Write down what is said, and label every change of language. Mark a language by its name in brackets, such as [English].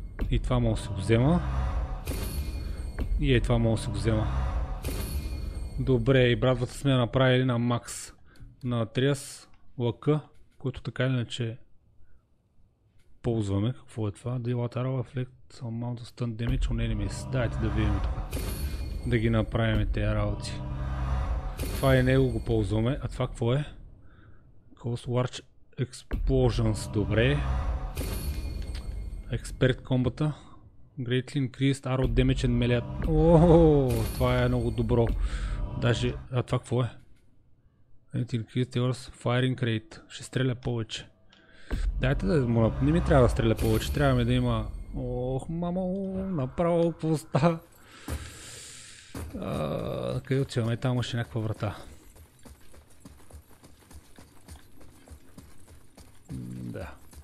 [Bulgarian] И това може да си го взема. И ей, това може да си го взема. Добре, и брадвата сме направили на макс. На триас лъка, който така или иначе ползваме. Какво е това? [English] Dilateral effect. Some amount of stun damage on enemies. [Bulgarian] Дайте да видим тук. Да ги направим тези работи. Това е него го ползваме. А това какво е? [English] Cause large explosions. [Bulgarian] Добре. [English] Expert combat. Greatly increased arrow damage and melee. [Bulgarian] Това е много добро. Даже... А това какво е? [English] It increased yours firing rate. [Bulgarian] Ще стреля повече. Дайте да... Не ми трябва да стреля повече. Трябва ми да има... Ох, мамо, направо пуста. Къде отиваме? Там имаше някаква врата. Да.